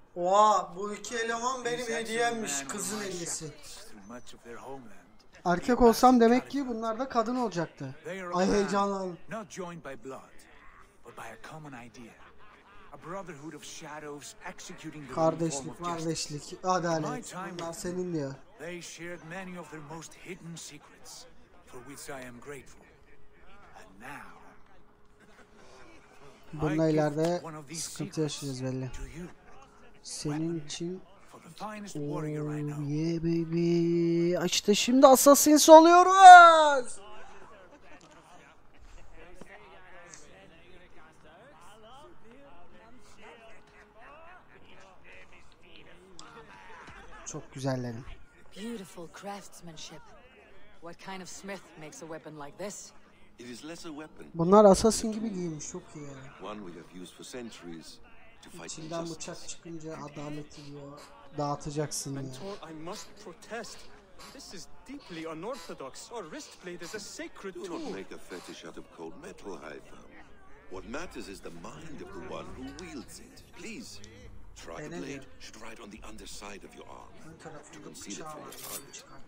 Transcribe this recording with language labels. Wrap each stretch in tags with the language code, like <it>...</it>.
<tr>Wow, bu iki eleman benim hediyemmiş, kızın hediyesi.</tr> <en>Through much of their homeland.</en> <tr>Erkek olsam demek ki bunlar da kadın olacaktı. Ay heyecanlandım.</tr> <en>Not joined by blood, but by a common idea. A brotherhood of shadows executing the</en> <tr>kardeşlik, kardeşlik, adalet. Bunlar senin diyor.</tr> <en>They shared many of their most hidden secrets, for which I am grateful. And now,</en> <tr>bununla ileride sıkıntı yaşayacağız belli. Senin için.</tr> <en>Yeah baby,</en> <tr>işte şimdi Assassin's oluyoruz. Çok güzellerim.</tr> <en>Beautiful craftsmanship. What kind of smith makes a weapon like this? It is less a weapon.</en> <tr>Bunlar assassin gibi giymiş, çok iyi yani.</tr> <en>One we have used for centuries to fight injustice.</en> <tr>İçinden bıçak çıkınca adaleti diyor, dağıtacaksın ya.</tr> <en>Mentor, I must protest. This is deeply unorthodox. Our wrist blade is a sacred tool. Do not make a fetish out of cold metal, Hypham. What matters is the mind of the one who wields it. Please, try the blade should ride on the underside of your arm to conceal it from the target.</en>